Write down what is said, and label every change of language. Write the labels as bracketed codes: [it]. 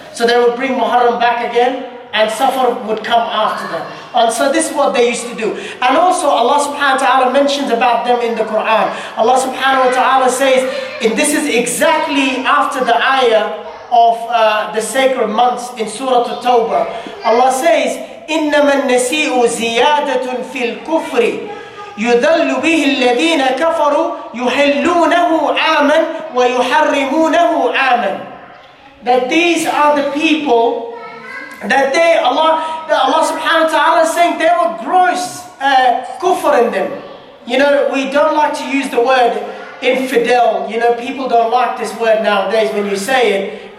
[en] So they would bring Muharram back again and Safar would come after them. And so this is what they used to do. And also Allah subhanahu wa ta'ala mentions about them in the Quran. Allah subhanahu wa ta'ala says, and this is exactly after the ayah of the sacred months in Surah At-Tawbah. Allah says, [ar] إِنَّمَا النَّسِيءُ زِيَادَةٌ فِي الْكُفْرِ يُذَلُّ بِهِ الَّذِينَ كَفَرُوا يُحِلُّونَهُ عَامًا وَيُحَرِّمُونَهُ عَامًا. [en] That these are the people that they, Allah subhanahu wa ta'ala is saying they were gross kufr in them. You know, we don't like to use the word infidel. You know, people don't like this word nowadays when you say it.